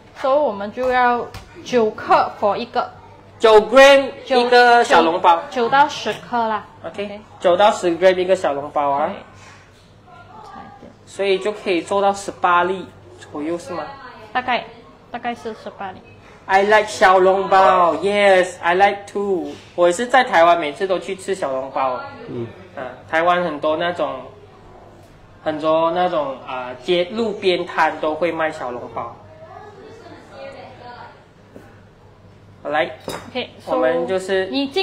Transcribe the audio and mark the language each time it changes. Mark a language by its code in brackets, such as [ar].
[zh] 所以我们就要九克 for 一个。九 gram 一个小笼包，九到十克啦。 OK， 九到十 gram 一个小笼包啊，所以就可以做到十八粒左右是吗？大概是十八粒。 [en] I like 小笼包 ，Yes， I like too。 [zh] 我是在台湾，每次都去吃小笼包。嗯，台湾很多那种街路边摊都会卖小笼包。来 okay, so, 我们就是你